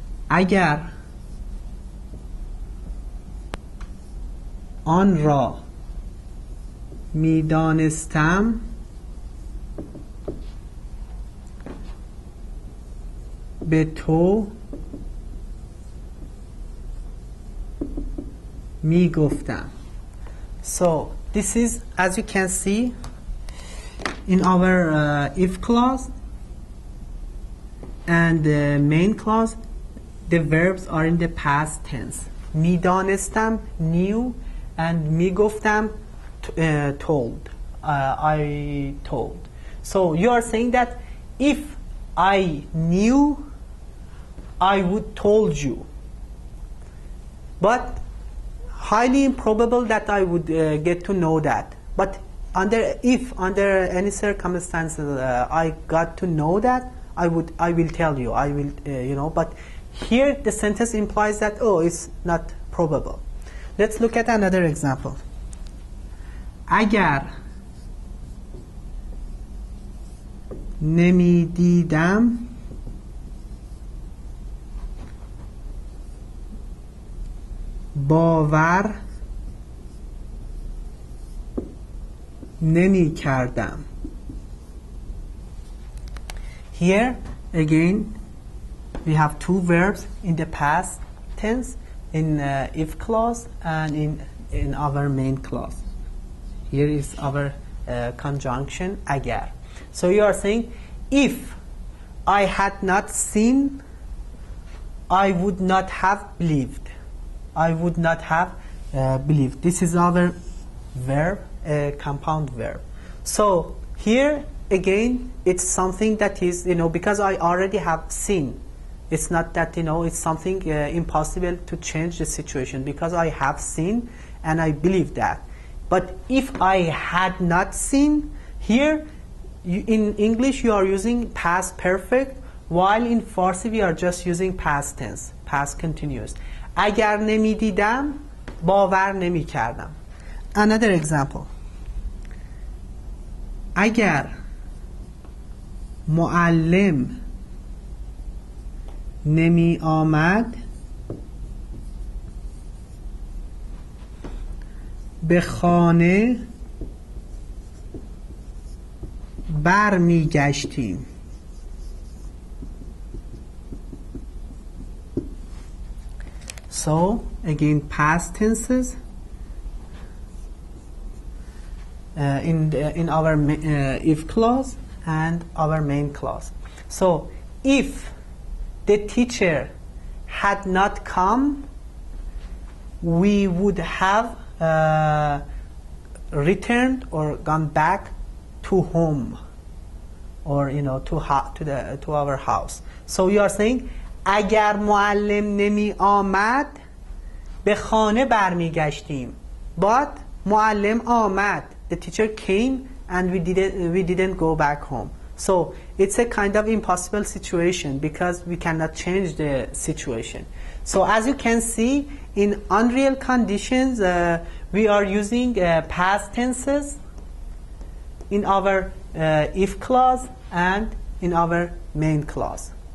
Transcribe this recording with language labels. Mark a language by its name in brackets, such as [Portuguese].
[Persian] اگر آن را می دانستم به تو می گفتم. [English] So this is, as you can see in our if clause and the main clause, the verbs are in the past tense. [Persian] می دانستم, [English] knew, and [Persian] می گفتم, [English] told, I told. So you are saying that if I knew, I would told you. But highly improbable that I would get to know that. But under any circumstances I got to know that, I will tell you, but here the sentence implies that, oh, it's not probable. Let's look at another example. [Persian] اگر نمی دیدم باور نمی کردم. [English] Here again we have two verbs in the past tense in if clause and in our main clause. Here is our conjunction agar. So you are saying if I had not seen, I would not have believed. I would not have believed. This is our verb, a compound verb. So here again, it's something that is, you know, because I already have seen. It's not that, you know, it's something impossible to change the situation because I have seen and I believe that. But if I had not seen, here you, in English you are using past perfect, while in Farsi we are just using past tense, past continuous. [Persian] اگر نمی دیدم باور نمی کردم. [English] Another example. [Persian] اگر معلم نمی آمد به خانه بر می گشتیم. [English] So again past tenses. In our if clause and our main clause. So if the teacher had not come, we would have returned or gone back to home, or you know, to our house. So you are saying [Persian] اگر معلم نمی آمد به خانه برمیگشتیم. But معلم آمد. [English] The teacher came and we didn't go back home. So it's a kind of impossible situation because we cannot change the situation. So as you can see, in unreal conditions, we are using past tenses in our if clause and in our main clause.